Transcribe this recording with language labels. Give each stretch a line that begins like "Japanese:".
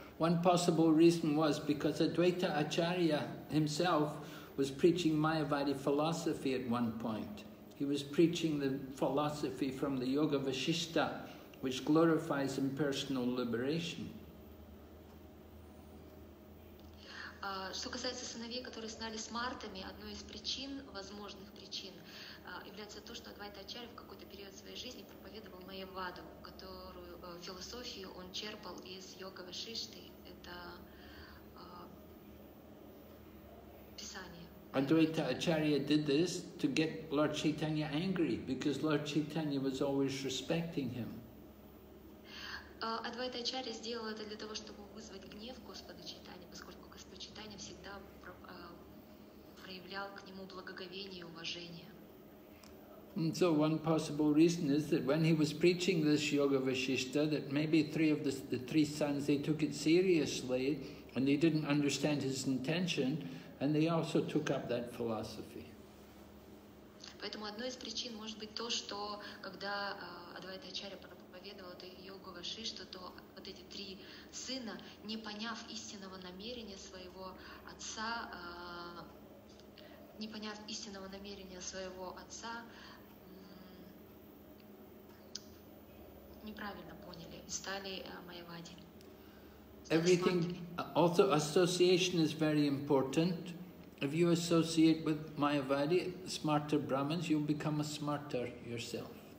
English: One possible reason was because Advaita Acharya himself was preaching Mayavadi philosophy at one point. He was preaching the philosophy from the Yoga Vashishta, which glorifies impersonal liberation.
Russian: Что касается сыновей, которые стали смартами, одной из причин, возможных причин, является то, что Адвайта Ачарья в какой-то период своей жизни проповедовал Майяваду, которую философию он черпал из Йога Вашишты. Это писание.
English: Адвайта Ачарья did this to get Lord Chaitanya angry, because Lord Chaitanya was always respecting him.
Russian: Адвайта Ачарья сделал это для того, чтобы вызвать гнев Господа Чайтаньи, поскольку Господь Чайтаньи всегда проявлял к нему благоговение и уважение.
English: And so one possible reason is that when he was preaching this Yoga Vashishta, that maybe three of the three sons, they took it seriously, And they didn't understand his intention, and they also took up that philosophy.
Russian: Поэтому одной из причин может быть то, что когда Адвайта Ачарья проповедовал эту йогу Вашишту, то вот эти три сына, не поняв истинного намерения своего отца, неправильно поняли и стали майявади.
English: Everything, also association is very important. If you associate with Mayavadi, smarter Brahmins, you'll become a smarter yourself.